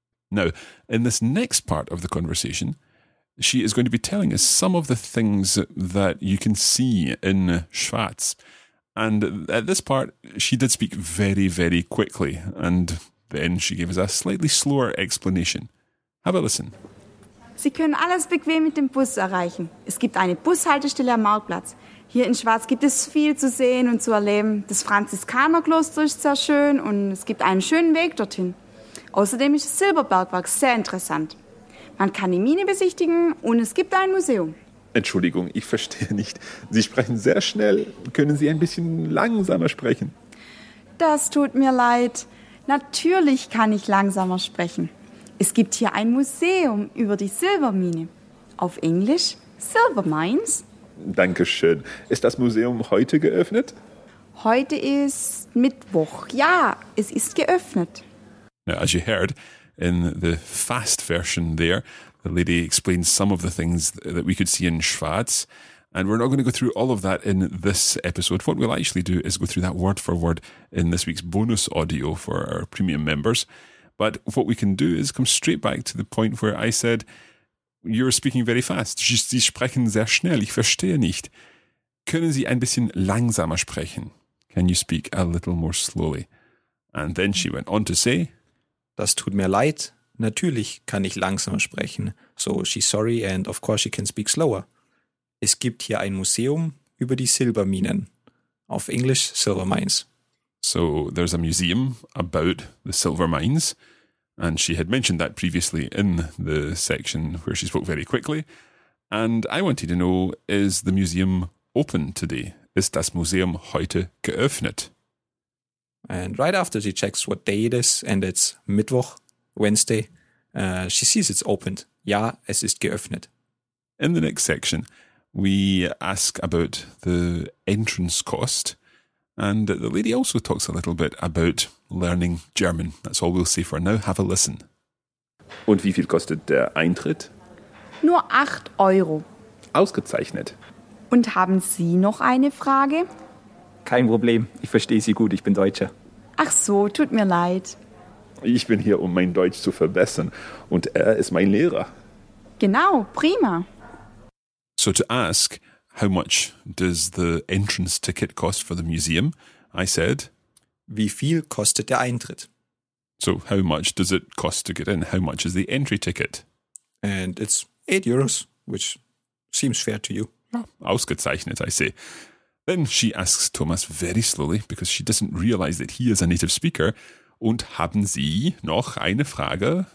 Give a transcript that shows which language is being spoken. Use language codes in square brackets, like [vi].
[en] Now, in this next part of the conversation, she is going to be telling us some of the things that you can see in Schwaz. And at this part, she did speak very, very quickly. And then she gave us a slightly slower explanation. Have a listen. [de] Sie können alles bequem mit dem Bus erreichen. Es gibt eine Bushaltestelle am Marktplatz. Hier in Schwaz gibt es viel zu sehen und zu erleben. Das Franziskanerkloster ist sehr schön und es gibt einen schönen Weg dorthin. Außerdem ist das Silberbergwerk sehr interessant. Man kann die Mine besichtigen und es gibt ein Museum. Entschuldigung, ich verstehe nicht. Sie sprechen sehr schnell. Können Sie ein bisschen langsamer sprechen? Das tut mir leid. Natürlich kann ich langsamer sprechen. Es gibt hier ein Museum über die Silbermine. Auf Englisch [en] Silver Mines. [de] Dankeschön. Ist das Museum heute geöffnet? Heute ist Mittwoch. Ja, es ist geöffnet. [en] Now, as you heard, in the fast version there, the lady explains some of the things that we could see in Schwaz. And we're not going to go through all of that in this episode. What we'll actually do is go through that word for word in this week's bonus audio for our premium members. But what we can do is come straight back to the point where I said, you're speaking very fast. [de] Sie sprechen sehr schnell. Ich verstehe nicht. Können Sie ein bisschen langsamer sprechen? [en] Can you speak a little more slowly? And then she went on to say, [de] Das tut mir leid. Natürlich kann ich langsamer sprechen. [en] So she's sorry and of course she can speak slower. [de] Es gibt hier ein Museum über die Silberminen. Auf Englisch [en] Silver Mines. So there's a museum about the silver mines. And she had mentioned that previously in the section where she spoke very quickly. And I wanted to know, is the museum open today? [de] Ist das Museum heute geöffnet? [en] And right after she checks what day it is, and it's Mittwoch, Wednesday, she sees it's opened. [de] Ja, es ist geöffnet. [en] In the next section, we ask about the entrance cost. And the lady also talks a little bit about learning German. That's all we'll say for now. Have a listen. [de] Und wie viel kostet der Eintritt? Nur 8 €. Ausgezeichnet. Und haben Sie noch eine Frage? Kein Problem. Ich verstehe Sie gut. Ich bin Deutscher. Ach so, tut mir leid. Ich bin hier, um mein Deutsch zu verbessern. Und er ist mein Lehrer. Genau, prima. [en] So to ask, how much does the entrance ticket cost for the museum? I said, [de] wie viel kostet der Eintritt? [en] So how much does it cost to get in? How much is the entry ticket? And it's 8 €, which seems fair to you. Ausgezeichnet, I say. Then she asks Thomas very slowly, because she doesn't realize that he is a native speaker, [de] und haben Sie noch eine Frage?